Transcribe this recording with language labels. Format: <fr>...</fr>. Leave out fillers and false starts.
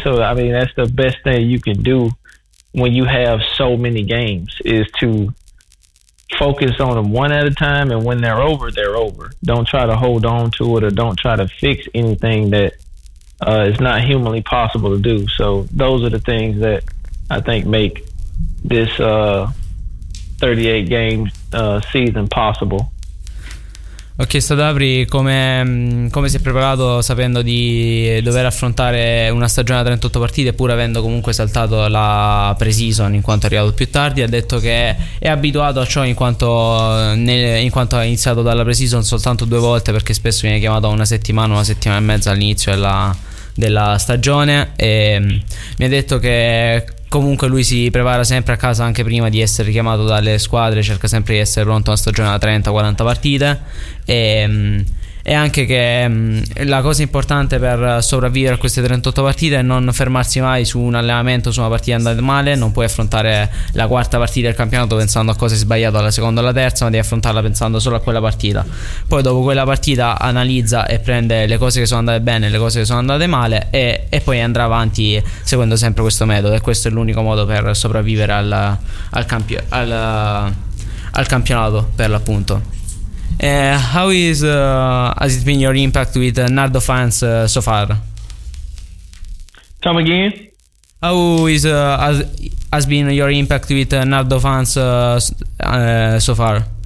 <en>So, I mean, that's the best thing you can do when you have so many games, is to focus on them one at a time, and when they're over, they're over. Don't try to hold on to it, or don't try to fix anything that is not humanly possible to do. So those are the things that I think make this 38 game season possible.</en> <it>Ho chiesto ad Avri come si è preparato sapendo di dover affrontare una stagione a 38 partite, pur avendo comunque saltato la pre-season in quanto è arrivato più tardi. Ha detto che è abituato a ciò in quanto ha iniziato dalla pre-season soltanto due volte, perché spesso viene chiamato una settimana e mezza all'inizio della stagione. E mi ha detto che comunque lui si prepara sempre a casa anche prima di essere chiamato dalle squadre, cerca sempre di essere pronto a una stagione da 30-40 partite, e anche che la cosa importante per sopravvivere a queste 38 partite è non fermarsi mai su un allenamento, su una partita andata male. Non puoi affrontare la quarta partita del campionato pensando a cosa hai sbagliato alla seconda o alla terza, ma devi affrontarla pensando solo a quella partita. Poi dopo quella partita analizza e prende le cose che sono andate bene, le cose che sono andate male, e poi andrà avanti seguendo sempre questo metodo, e questo è l'unico modo per sopravvivere al campionato, per l'appunto.</it> <en>How is has it been your impact with Nardo fans so far? Come again? How is has been your impact with Nardo fans so far?</en>